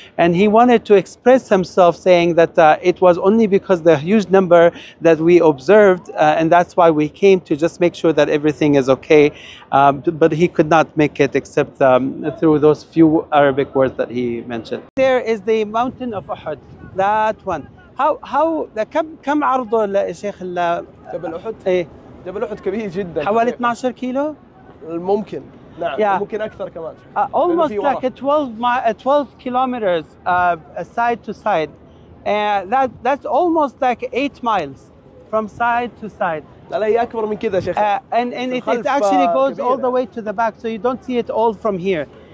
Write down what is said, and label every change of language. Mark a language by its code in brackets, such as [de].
[en] And he wanted to express himself saying that it was only because the huge number that we observed, and that's why we came to just make sure that everything is okay. But he could not make it except through those few Arabic words that he mentioned. There is the mountain of Uhud, that one. How [ar] كم عرضه لشيخ الله جبل أحد؟ إيه جبل أحد كبير جدا. حوالي 12 كيلو. الممكن. نعم. Yeah. ممكن أكثر كمان. [en] Almost like 12 kilometers side to side, and that's almost like 8 miles from side to side. [ar] لا لا هي أكبر من كذا شيخ. [en] And it actually goes [ar] كبيرة. [en] All the way to the back, so you don't see it all from here.